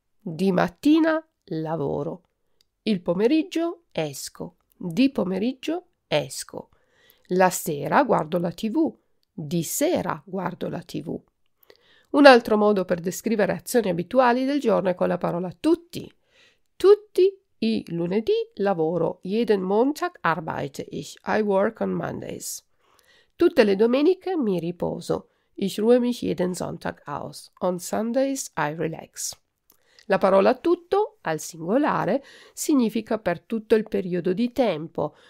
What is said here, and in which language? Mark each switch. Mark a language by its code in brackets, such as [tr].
[it] Di mattina, lavoro. Il pomeriggio, esco. Di pomeriggio, esco. La sera, guardo la TV. Di sera guardo la TV. Un altro modo per descrivere azioni abituali del giorno è con la parola tutti. Tutti i lunedì lavoro. [de] Jeden Montag arbeite ich. [en] I work on Mondays. [it] Tutte le domeniche mi riposo. [de] Ich ruhe mich jeden Sonntag aus. [en] On Sundays I relax. [it] La parola tutto, al singolare, significa per tutto il periodo di tempo.